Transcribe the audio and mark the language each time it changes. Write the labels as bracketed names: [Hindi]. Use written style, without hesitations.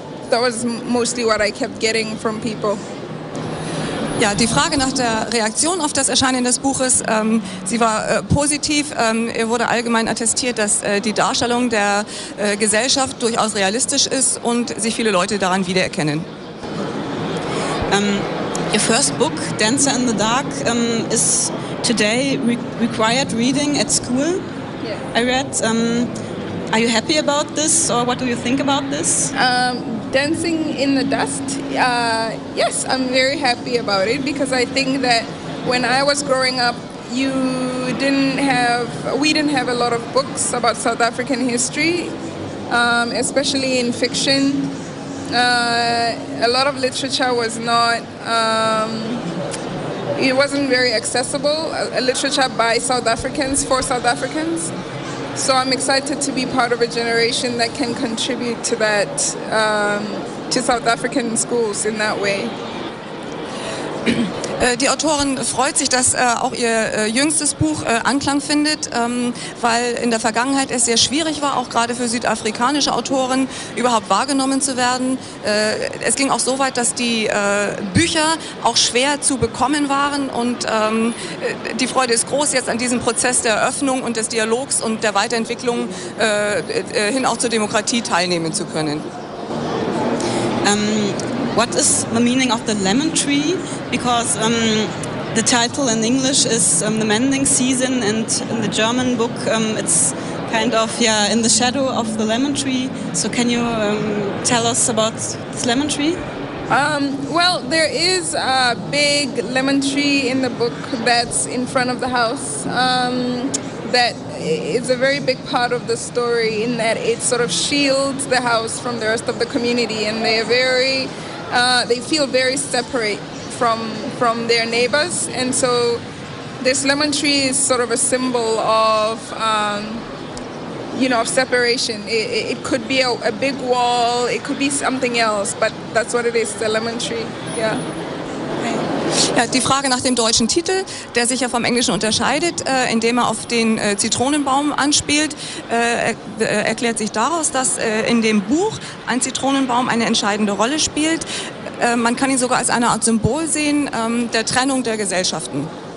[English] That was mostly what I kept getting from people. [German] Ja, die Frage nach der Reaktion auf das Erscheinen des Buches, sie war positiv. Er wurde allgemein attestiert, dass die Darstellung der Gesellschaft durchaus realistisch ist und sich viele Leute daran wiedererkennen. [English] Your first book, Dancer in the Dark, is today required reading at school. Yeah. I read. Are you happy about this, or what do you think about this? Dancing in the Dust. Yes, I'm very happy about it, because I think that when I was growing up, we didn't have a lot of books about South African history, especially in fiction. A lot of literature was not, it wasn't very accessible, literature by South Africans, for South Africans. So I'm excited to be part of a generation that can contribute to that, to South African schools in that way. [German] Die Autorin freut sich, dass auch ihr jüngstes Buch Anklang findet, weil in der Vergangenheit es sehr schwierig war, auch gerade für südafrikanische Autoren überhaupt wahrgenommen zu werden. Es ging auch so weit, dass die Bücher auch schwer zu bekommen waren, und die Freude ist groß jetzt an diesem Prozess der Eröffnung und des Dialogs und der Weiterentwicklung hin auch zur Demokratie teilnehmen zu können. [English] What is the meaning of the lemon tree? Because the title in English is the mending season, and in the German book it's kind of, yeah, in the shadow of the lemon tree. So can you tell us about this lemon tree? Well, there is a big lemon tree in the book that's in front of the house. That is a very big part of the story, in that it sort of shields the house from the rest of the community, and they're very... they feel very separate from their neighbors, and so this lemon tree is sort of a symbol of, you know, of separation. It could be a big wall, it could be something else, but that's what it is, the lemon tree, yeah. [German] Ja, die Frage nach dem deutschen Titel, der sich ja vom Englischen unterscheidet, indem er auf den Zitronenbaum anspielt, erklärt sich daraus, dass in dem Buch ein Zitronenbaum eine entscheidende Rolle spielt. Man kann ihn sogar als eine Art Symbol sehen, der Trennung der Gesellschaften.